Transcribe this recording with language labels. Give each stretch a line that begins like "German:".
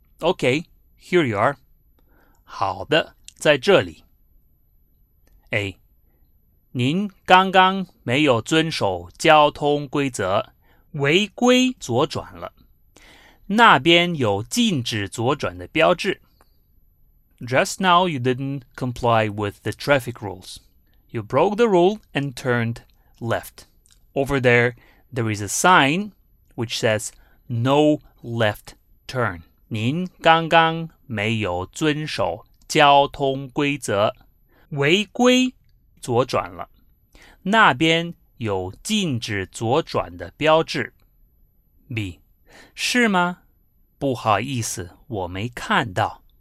English: OK, here you are.
Chinese: 好的，在这里。 A, 您刚刚没有遵守交通规则，违规左转了。那边有禁止左转的标志。
English: Just now you didn't comply with the traffic rules. You broke the rule and turned left. Over there, there is a sign which says no left turn.
Chinese: 您刚刚没有遵守交通规则，违规左转了。那边有禁止左转的标志。 B. 是吗？不好意思，我没看到。